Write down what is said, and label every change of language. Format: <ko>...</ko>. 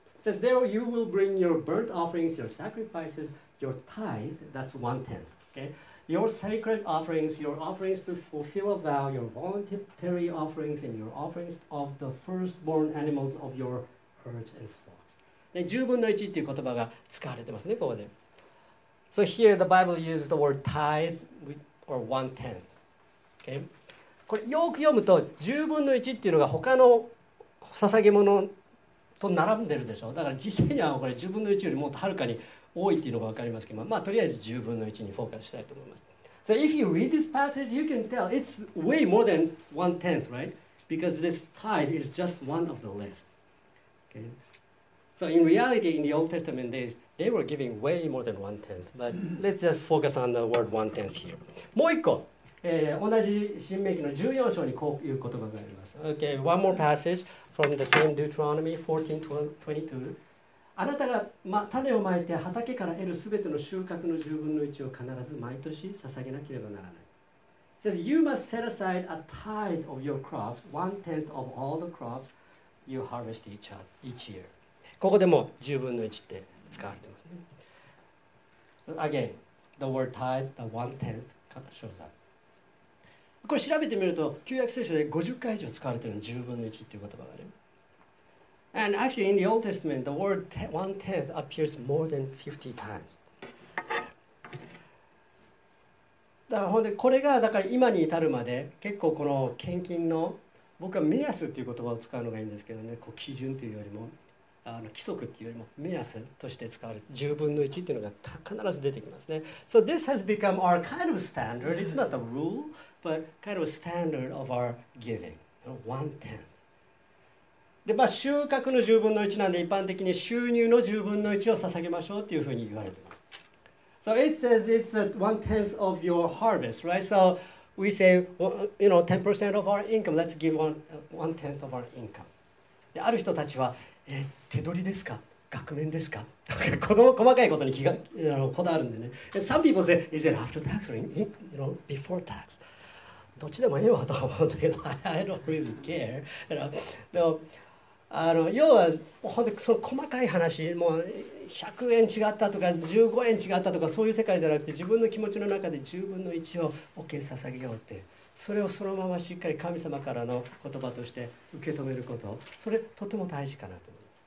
<en>It says there you will bring your burnt offerings, your sacrifices, your tithes, that's one tenth, okay? Your sacred offerings, your offerings to fulfill a vow, your voluntary offerings, and your offerings of the firstborn animals of your herds and flocks.</en> <ja>10分の1っていう言葉が使われてますね、ここで。</ja> <en>So here the Bible uses the word tithe or one tenth. Okay?</en> <ja>これよく読むと10分の1っていうのが他の捧げ物と並んでるでしょ。だから実際にはこれ10分の1よりもっとはるかに多いっていうのが分かりますけど、まあとりあえず10分の1にフォーカスしたいと思います。</ja> <en>So if you read this passage, you can tell it's way more than one tenth, right? Because this tithe is just one of the list. Okay. So in reality, in the Old Testament days, they were giving way more than one tenth. But let's just focus on the word one tenth here.</en> <ja>もう一個、同じ新命記の14章にこういう言葉があります。</ja> <en>Okay, one more passage from the same Deuteronomy 14:22.</en> <ja>あなたが、ま、種をまいて畑から得るすべての収穫の10分の1を必ず毎年捧げなければならない。</ja> <en>It says, you must set aside a tithe of your crops, one tenth of all the crops you harvest each year.</en> <ja>ここでも10分の1って使われてますね。</ja> <en>Again, the word tithe, the one tenth, shows up.</en> <ja>これ調べてみると、旧約聖書で50回以上使われてるの10分の1っていう言葉がある。</ja> <en>And actually, in the Old Testament, the word one-tenth appears more than 50 times.</en> <ja>だからほんでこれがだから今に至るまで結構この献金の僕は目安っていう言葉を使うのがいいんですけどね、こう基準というよりも規則っていうよりも目安として使われる10分の1っていうのが必ず出てきますね。</ja> <en>So this has become our kind of standard. It's not the rule, but kind of standard of our giving. One-tenth.</en> <ja>でまあ、収穫の10分の1なんで一般的に収入の10分の1を捧げましょうというふうに言われています。</ja> <en>So it says it's one tenth of your harvest, right? So we say, you know, 10% of our income, let's give one tenth of our income.</en> <ja>である人たちは、手取りですか額面ですか子供細かいことに気がこだわるんでね。</ja> <en>Some people say, is it after tax or you know, before tax?</en> <ja>どっちでもいいわと思うんだけど、</ja> <en>I don't really care.</en> <ja>でも要は、本当に細かい話、もう100円違ったとか、15円違ったとか、そういう世界じゃなくて、自分の気持ちの中で10分の1をお金捧げようって、それをそのまましっかり神様からの言葉として受け止めること、それとても大事かなと思う。</ja>